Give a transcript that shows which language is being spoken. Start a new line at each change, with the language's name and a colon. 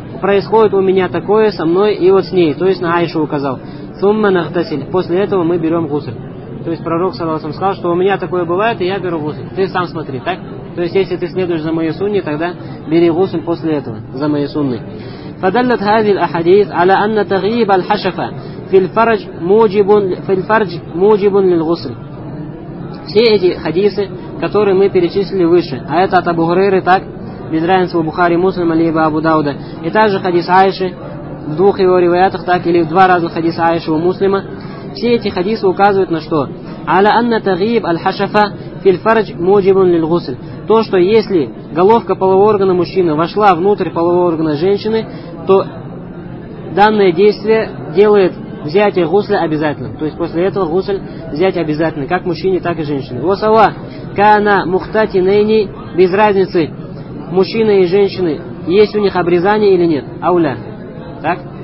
Russian: Происходит у меня такое со мной и вот с ней, то есть на Айшу указал.
Arabic: Сумма нахтасиль.
Russian: После этого мы берем гусль. То есть пророк саллаллаху алейхи вассаляма сказал, что у меня такое бывает, и я беру гусль. Ты сам смотри, так? То есть если ты следуешь за моей сунной, тогда бери гусль после этого, за моей сунной.
Arabic: فدلت هذه الأحاديث على أن تغييب الحشفة في الفرج موجب في الفرج موجب للغسل.
Russian: Все эти хадисы, которые мы перечислили выше, а это от Абу Хурейры, так, без разницы, у Бухари, Муслима, либо Абу Дауда, и также хадис Айши в двух его риваятах, так, или в два раза хадис Айши у Муслима, все эти хадисы указывают на что?
Arabic: على أن تغييب الحشفة في الفرج موجب للغسل.
Russian: То, что если головка полового органа мужчины вошла внутрь полового органа женщины, то данное действие делает взятие гусля обязательным. То есть после этого гусль взять обязательно, как мужчине, так и женщине.
Arabic: Восава кана мухтати нейни,
Russian: без разницы, мужчина и женщина, есть у них обрезание или нет. Ауля. Так?